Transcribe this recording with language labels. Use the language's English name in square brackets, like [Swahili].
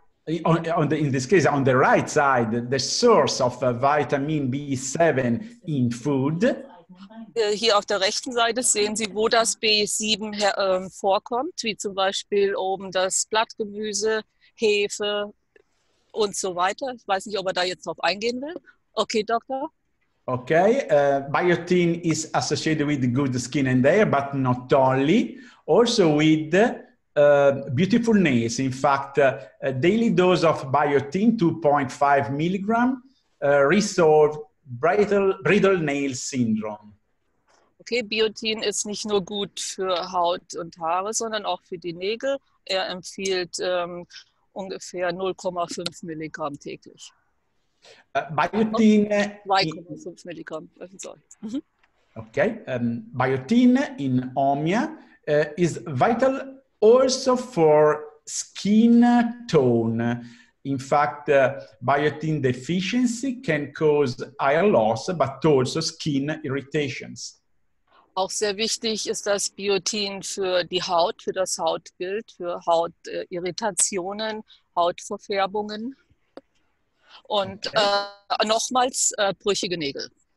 [English] In this case, on the right side, the source of vitamin B7 in food. [German] hier auf der rechten Seite sehen Sie, wo das B7 vorkommt, wie zum Beispiel oben das Blattgemüse, Hefe und so weiter. Ich weiß nicht, ob er da jetzt drauf eingehen will. Okay, Doktor. [English] Okay, biotin is associated with good skin and hair, but not only. Also with beautiful nails. In fact, a daily dose of biotin, 2.5 milligram, resolve brittle nail syndrome. [German] Okay, Biotin ist nicht nur gut für Haut und Haare, sondern auch für die Nägel. Er empfiehlt ungefähr 0,5 Milligramm täglich. Biotin 2,5 Milligramm. Sorry. [English] Okay, Biotin in Omia is vital also for skin tone. In fact, biotin deficiency can cause eye loss, but also skin irritations. [German] Auch sehr wichtig ist das Biotin für die Haut, für das Hautbild, für Hautirritationen, Hautverfärbungen und nochmals brüchige Nägel.